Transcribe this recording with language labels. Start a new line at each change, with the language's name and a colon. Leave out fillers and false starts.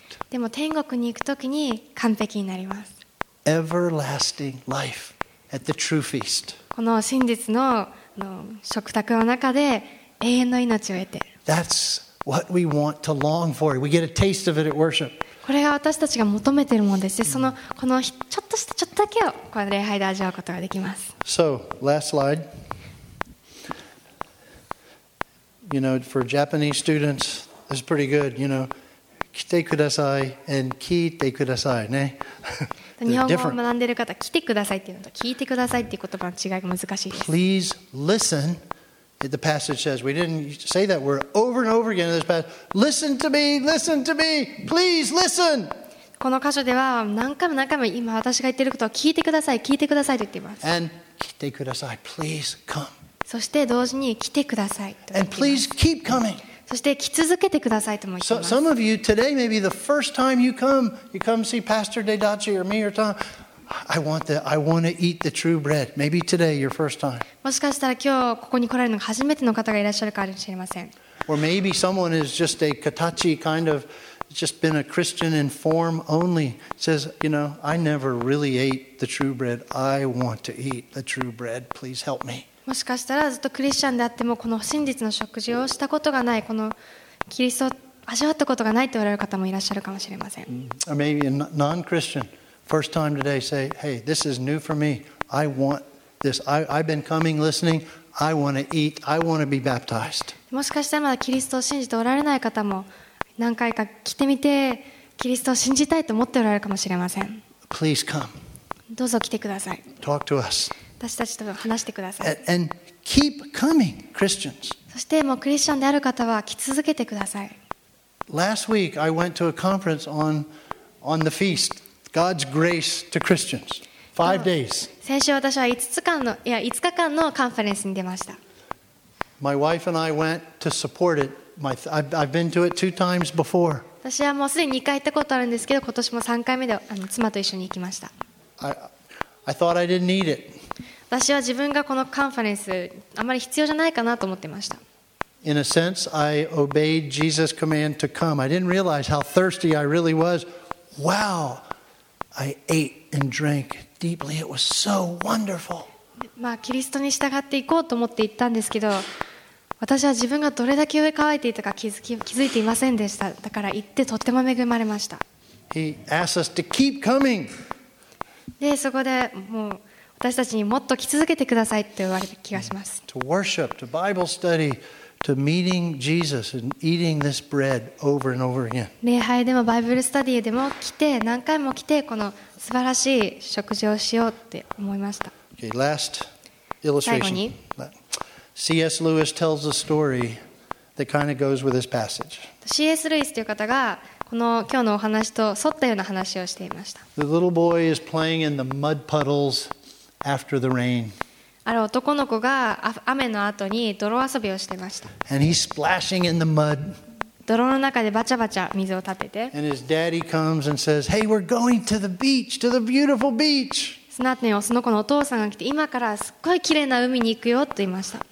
Japanese: でも天国に行くときに完璧になります。
English: Everlasting life at the true feast.
Japanese: この真実 の食卓の中で永遠の命を得て。
English: That's what we want to long for. We get a taste of it at worship.
Japanese: これが私たちが求めているものです。で、このちょっとしたちょっとだけをこの礼拝で味わうことができます。
English: So, last slide. You know, for Japanese students, this is pretty good. You know, 来てください and 聞いてくださいね。
Japanese: 日本語を学んでいる方、来てくださいっていうのと聞いてくださいっていう言葉の違いが難しいです。
English: Please listen. The passage says we didn't say that word over and over again in this passage. Listen to me, listen to me, please listen.
Japanese: この箇所では何回も何回も今私が言っていることを聞いてください、聞いてくださいと言っています。
English: And 来てください、please come.
Japanese: そして同時に来てくださいと言っています
English: 。 And please keep coming.
Japanese: そして来続けてくださいとも言っています。
English: Some of you today may be the first time you come see Pastor Deidachi or me or Tom. I want to eat the true bread. Maybe today your first time.
Japanese: もしかしたら今日ここに来られるのが初めての方がいらっしゃるかもしれません。
English: Or maybe someone is just a katachi kind of just been a Christian in form only. Says, you know, I never really ate the true bread. I want to eat the true bread. Please help me.
Japanese: もしかしたらずっとクリスチャンであってもこの真実の食事をしたことがないこのキリストを味わったことがないと言われる方もいらっしゃるかもしれません。
English: Or maybe a non-Christian. First time today, say, "Hey, this is new for me. I want this. I've been coming, listening. I want to eat. I want to be baptized."
Japanese: もしかしたらまだキリストを信じておられない方も何回か来てみてキリストを信じたいと思っておられるかもしれません。
English: Please come.
Japanese: どうぞ来てください。
English: Talk to us.
Japanese: 私たちと話してください。
English: And keep coming, Christians.
Japanese: そしてもうクリスチャンである方は来続けてください。
English: Last week I went to a conference on the feast, God's grace to Christians. Five days.
Japanese: 先週私は5日間のカンファレンスに出ました。
English: My wife and I went to support it. I've been to it two times before.
Japanese: 私はもうすでに2回行ったことあるんですけど、今年も3回目で妻と一緒に行きました。
English: I thought I didn't need it.
Japanese: 私は自分がこのカンファレンスあまり必要じゃないかなと思ってました。
English: In a sense, I obeyed Jesus' command to come. I didn't realize how thirsty I really was. Wow! I ate and drank deeply. It was so wonderful.
Japanese: まあキリストに従って行こうと思って行ったんですけど、私は自分がどれだけ渇いていたか気づいていませんでした。だから行ってとっても恵まれました。
English: He asked us to keep coming.
Japanese: でそこでもう私たちにもっと来続けてくださいって言われた気がします。
English: To worship, to Bible study. To meeting Jesus and eating this bread over and over again.
Japanese: 礼拝でもバイブルスタディでも来て何回も来てこの素晴らしい食事をしようって思いました。
English: Okay, last illustration.
Japanese: 最後に。
English: C.S. Lewis tells a story that kind of goes with this passage. C.S.
Japanese: Lewis という方がこの今日のお話と沿ったような話をしていました。
English: The little boy is playing in the mud puddles after the rain.
Japanese: ある男の子が雨の後に泥遊びをしていました。
English: And he's splashing in the mud.
Japanese: 泥の中でバチャバチャ水を立てて。
English: And his daddy comes and says, "Hey, we're going to the beach, to the beautiful beach."
Japanese: その後にその子のお父さんが来て、今からすっごい綺麗な海に行くよと言いました。